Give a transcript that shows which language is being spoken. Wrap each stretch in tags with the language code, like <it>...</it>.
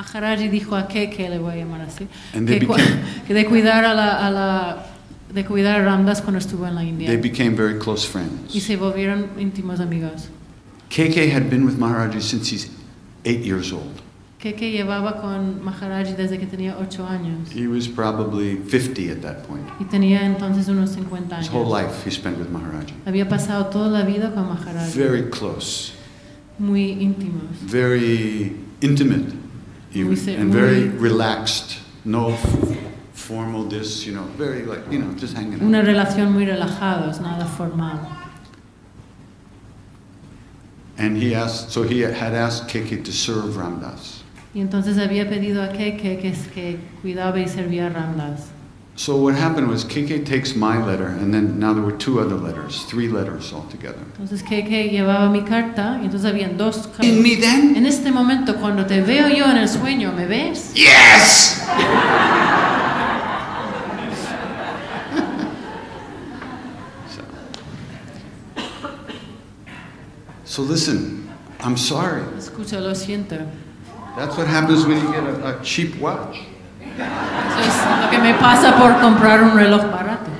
<es>Maharajji dijo a KK, le voy a llamar así,</es> <en>and they</en> <es>que de cuidar de cuidar a Ramdas cuando estuvo en la India.</es> <en>They became very close friends.</en> <es>Y se volvieron íntimos amigos.</es> <en>KK had been with Maharajji since he's 8 years old.</en> <es>KK llevaba con Maharajji desde que tenía 8 años.</es> <en>He was probably 50 at that point.</en> <es>Y tenía entonces unos 50 años.</es> <en>His whole life he spent with Maharajji.</en> <es>Había pasado toda la vida con Maharajji.</es> <en>Very close.</en> <es>Muy íntimos.</es> <en>Very intimate. And very relaxed. No formal this, you know, very like, you know, just hanging out.</en> <es>Una relación muy relajada, nada formal.</es> <en>And he asked, so he had asked KK to serve Ramdas.</en> <es>Y entonces había pedido a KK que cuidaba y servía a Ramdas.</es> <en>So what happened was KK takes my letter, and then now there were 2 other letters, 3 letters altogether.</en> <es>Entonces KK llevaba mi carta, y entonces habían 2 cartas.</es> <en>In me then?</en> <es>En este momento, cuando te veo yo en el sueño, ¿me ves?</es> <en>Yes! So listen, I'm sorry.</en> <es>Escucha, lo siento.</es> <en>That's what happens when you get a cheap watch.</en> <es>Eso es lo que me pasa por comprar un reloj barato.</es>